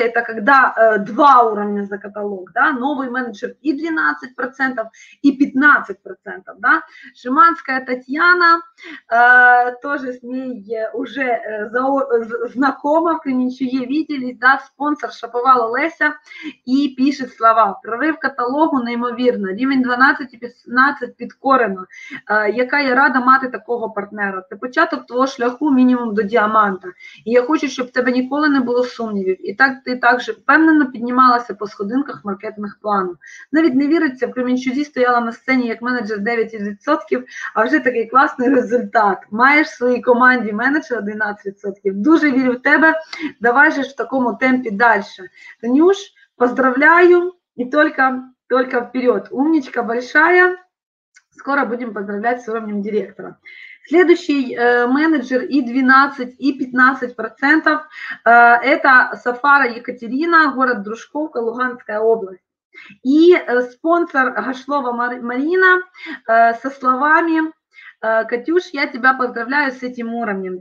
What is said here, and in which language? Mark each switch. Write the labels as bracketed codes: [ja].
[ru] Это когда два уровня за каталог, да, новый менеджер и 12%, и 15%, да. Шиманская Татьяна, тоже с ней уже знакома, в Кременчуге виделись, да, спонсор Шаповала Леся, и пишет слова. [uk] Прорыв каталогу неймовірно, рівень 12 і 15 підкорено. Яка я рада мати такого партнера. Це початок твого шляху, мінімум мінімум до діаманта. І я хочу, щоб в тебе ніколи не було сумнівів. І так ти також впевнено піднімалася по сходинках маркетингового плану. Навіть не віриться, в Кремінчузі стояла на сцені як менеджер 9%, а вже такий класний результат. Маєш в своїй команді менеджера 11%. Дуже вірю в тебе. Давай же ж в такому темпі далі. Танюш, [ru] поздравляю [uk] і тільки вперед. [ru] Умничка большая. Скоро будем поздравлять с уровнем директора. Следующий менеджер и 12, и 15% это Сафара Екатерина, город Дружковка, Луганская область. И спонсор Гашлова Марина со словами: Катюш, я тебя поздравляю с этим уровнем.